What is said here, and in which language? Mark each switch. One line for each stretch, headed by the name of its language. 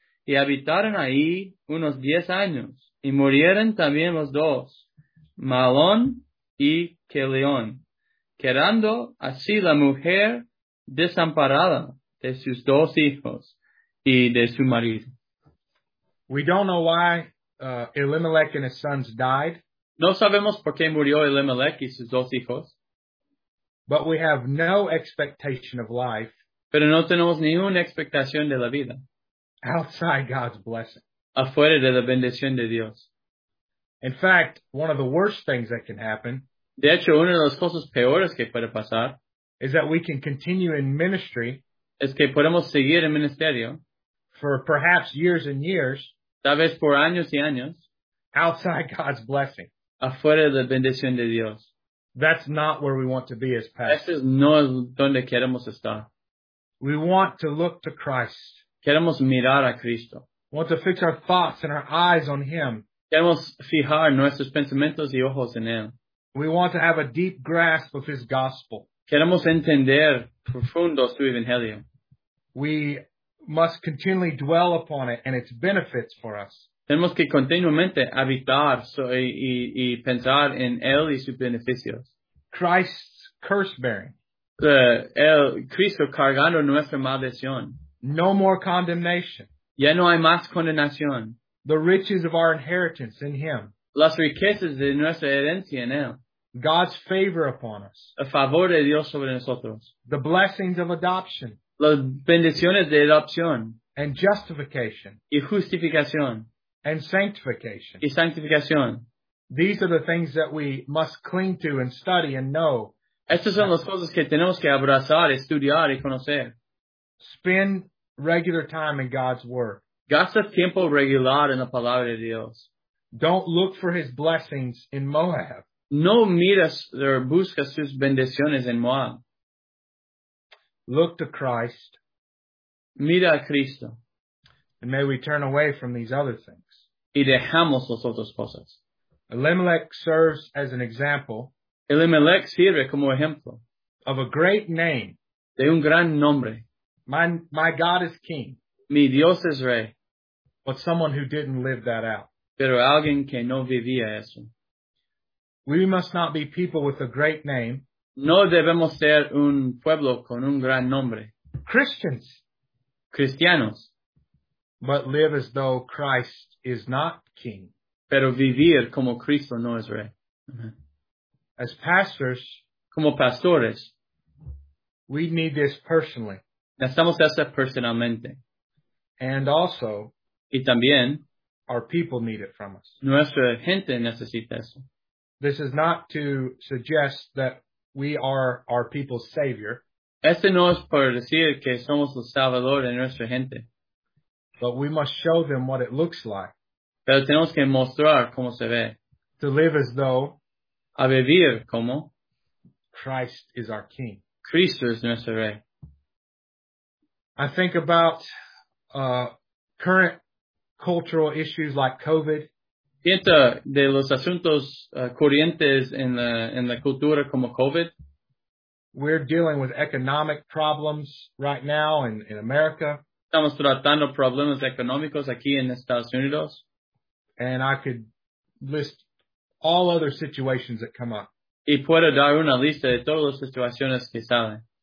Spanish: Y habitaron ahí unos 10 años, y murieron también los dos, Mahlón y Chilión, quedando así la mujer desamparada de sus dos hijos y de su marido.
English: We don't know why Elimelech and his sons died.
Spanish: No sabemos por qué murió Elimelech y sus dos hijos.
English: But we have no expectation of life.
Spanish: Pero no tenemos ninguna expectación de la vida.
English: Outside God's blessing.
Spanish: Afuera de la bendición de Dios.
English: In fact, one of the worst things that can happen.
Spanish: De hecho, una de las cosas peores que puede pasar.
English: Is that we can continue in ministry.
Spanish: Es que podemos seguir en ministerio.
English: For perhaps years and years.
Spanish: Tal vez por años y años.
English: Outside God's blessing.
Spanish: Afuera de la bendición de Dios.
English: That's not where we want to be as pastors.
Spanish: Eso no es donde queremos estar.
English: We want to look to Christ.
Spanish: Queremos mirar a Cristo.
English: We want to fix our thoughts and our eyes on Him.
Spanish: Queremos fijar nuestros pensamientos y ojos en Él.
English: We want to have a deep grasp of His gospel.
Spanish: Queremos entender profundo su evangelio.
English: We must continually dwell upon it and its benefits for us.
Spanish: Tenemos que continuamente habitar y pensar en Él y sus beneficios.
English: Christ's curse bearing.
Spanish: El Cristo cargando nuestra maldición.
English: No more condemnation.
Spanish: Ya no hay más condenación.
English: The riches of our inheritance in Him.
Spanish: Las riquezas de nuestra herencia en Él.
English: God's favor upon us.
Spanish: El favor de Dios sobre nosotros.
English: The blessings of adoption.
Spanish: Las bendiciones de adopción.
English: And justification.
Spanish: Y justificación.
English: And sanctification.
Spanish: Y sanctificación.
English: These are the things that we must cling to and study and know.
Spanish: Estas son las cosas que tenemos que abrazar, estudiar y conocer.
English: Spend regular time in God's Word.
Spanish: Gasta tiempo regular en la palabra de Dios.
English: Don't look for His blessings in Moab.
Spanish: No miras or busca sus bendiciones en Moab.
English: Look to Christ.
Spanish: Mira a Cristo.
English: And may we turn away from these other things.
Spanish: Y dejamos las otras cosas.
English: Elimelech serves as an example.
Spanish: Elimelech sirve como ejemplo.
English: Of a great name.
Spanish: De un gran nombre.
English: My God is King.
Spanish: Mi Dios es Rey.
English: But someone who didn't live that out.
Spanish: Pero alguien que no vivía eso.
English: We must not be people with a great name.
Spanish: No debemos ser un pueblo con un gran nombre.
English: Christians.
Spanish: Cristianos.
English: But live as though Christ is not King.
Spanish: Pero vivir como Cristo no es Rey.
English: As pastors.
Spanish: Como pastores.
English: We need this personally.
Spanish: Necesitamos eso personalmente.
English: And also,
Spanish: y también,
English: our people need it from us.
Spanish: Nuestra gente necesita eso.
English: This is not to suggest that we are our people's savior.
Spanish: Este no es por decir que somos el salvador de nuestra gente.
English: But we must show them what it looks like.
Spanish: Pero tenemos que mostrar cómo se ve.
English: To live as though,
Spanish: a vivir como,
English: Christ is our King.
Spanish: Cristo es nuestro rey.
English: I think about current cultural issues like COVID.
Spanish: Piensa de los asuntos corrientes en la cultura como COVID.
English: We're dealing with economic problems right now in America.
Spanish: estamos tratando problemas económicos aquí en Estados Unidos.
English: And I could list all other situations that come up.
Spanish: Y puedo dar una lista de todas las situaciones que salen.